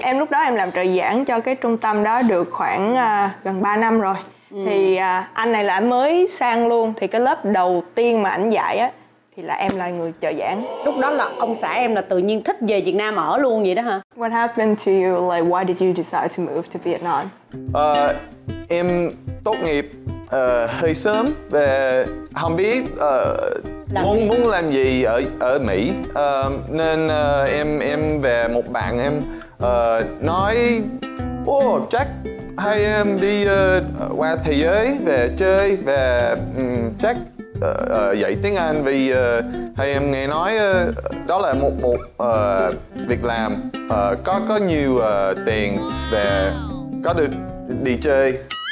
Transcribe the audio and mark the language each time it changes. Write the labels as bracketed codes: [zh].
[vi] Em lúc đó em làm trợ giảng cho cái trung tâm đó được khoảng gần 3 năm rồi. Thì anh này là anh mới sang luôn. Thì cái lớp đầu tiên mà anh dạy á thì là em là người trợ giảng. Lúc đó là ông xã em là tự nhiên thích về Việt Nam ở luôn vậy đó hả? [en] What happened to you? Like why did you decide to move to Vietnam? [vi] Em tốt nghiệp hơi sớm và không biết muốn làm gì ở Mỹ. Nên em về một bạn em nói chắc hai em đi qua thế giới về chơi và chắc dạy tiếng Anh vì hai em nghe nói đó là một việc làm có nhiều tiền và có được đi chơi.